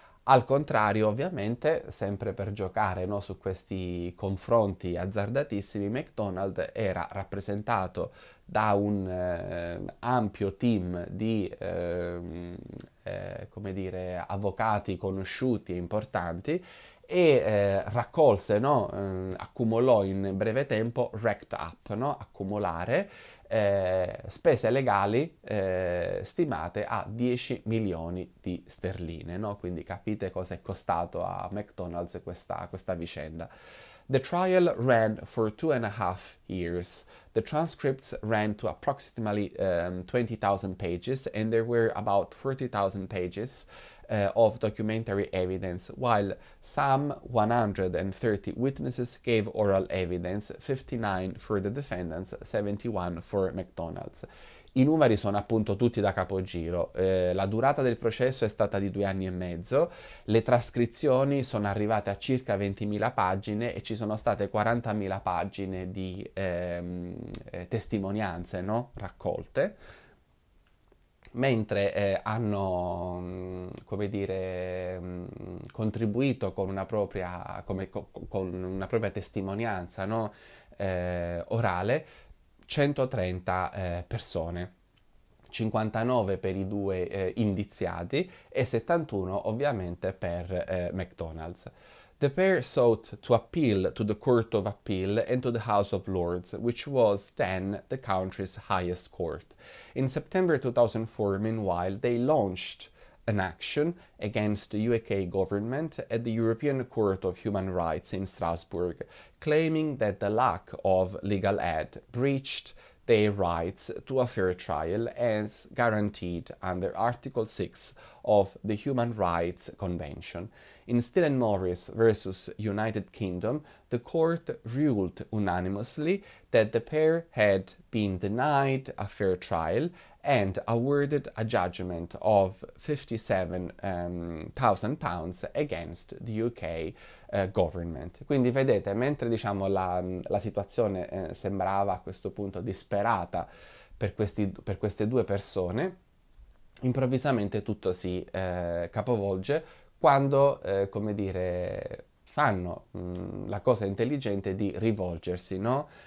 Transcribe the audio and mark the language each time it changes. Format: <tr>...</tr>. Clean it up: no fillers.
<it>Al contrario, ovviamente, sempre per giocare, no, su questi confronti azzardatissimi, McDonald's era rappresentato da un ampio team di come dire, avvocati conosciuti e importanti e raccolse, no, accumulò in breve tempo,</it> <en>racked up,</en> <it>no, accumulare spese legali stimate a 10 milioni di sterline, no? Quindi capite cosa è costato a McDonald's questa vicenda.</it> <en>The trial ran for 2.5 years. The transcripts ran to approximately 20,000 pages, and there were about 40,000 pages of documentary evidence, while some 130 witnesses gave oral evidence, 59 for the defendants, 71 for McDonald's.</en> <it>I numeri sono appunto tutti da capogiro. La durata del processo è stata di 2 anni e mezzo, le trascrizioni sono arrivate a circa 20.000 pagine e ci sono state 40.000 pagine di testimonianze, no? Raccolte. Mentre hanno, come dire, contribuito con una propria, con una propria testimonianza, no? Orale, 130 persone, 59 per i due indiziati e 71 ovviamente per McDonald's.</it> <en>The pair sought to appeal to the Court of Appeal and to the House of Lords, which was then the country's highest court. In September 2004, meanwhile, they launched an action against the UK government at the European Court of Human Rights in Strasbourg, claiming that the lack of legal aid breached their rights to a fair trial as guaranteed under Article 6 of the Human Rights Convention. In Still and Morris versus United Kingdom, the court ruled unanimously that the pair had been denied a fair trial and awarded a judgment of £57,000 against the UK government.</en> <it>Quindi vedete, mentre diciamo la situazione sembrava a questo punto disperata per queste due persone, improvvisamente tutto si capovolge quando, come dire, fanno la cosa intelligente di rivolgersi, no?</it>